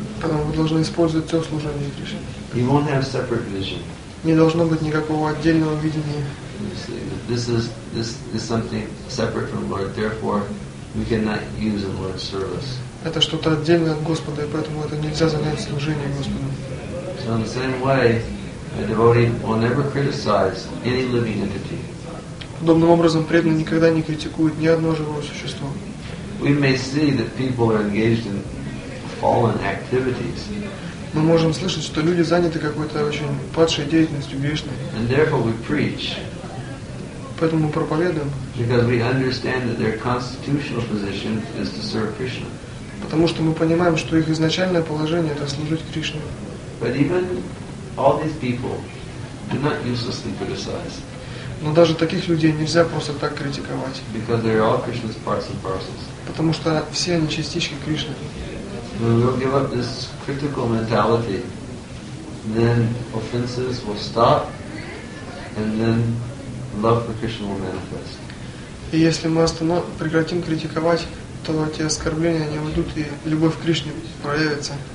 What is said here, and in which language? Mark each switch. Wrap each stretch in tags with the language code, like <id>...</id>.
<ru>Потому вы должны использовать все в служении Кришне.</ru> <en>He won't have separate vision.</en> <ru>Не должно быть никакого отдельного видения.</ru> <en>You see, this is something separate from Lord. Therefore, we cannot use in Lord's service.</en> <ru>Это что-то отдельное от Господа, и поэтому это нельзя занять служением Господу.</ru> <en>So in the same way, a devotee will never criticize any living entity.</en> <ru>Подобным образом преданный никогда не критикует ни одно живое существо.</ru> <en>We may see that people are engaged in fallen activities.</en> <ru>Мы можем слышать, что люди заняты какой-то очень падшей деятельностью, грешной.</ru> <en>And therefore we preach.</en> <ru>Поэтому мы проповедуем.</ru> <en>Because we understand that their constitutional position is to serve Krishna.</en> <ru>Потому что мы понимаем, что их изначальное положение — это служить Кришне.</ru> <en>But even all these people do not uselessly criticize.</en> <ru>Но даже таких людей нельзя просто так критиковать.</ru> <en>Because they are all Krishna's parts and parcels.</en> <ru>Потому что все они частички Кришны.</ru> <en>When we give up this critical mentality, then offenses will stop, and then love for Krishna will manifest.</en> <ru>И если мы прекратим критиковать, то эти оскорбления не уйдут, и любовь к Кришне проявится.</ru>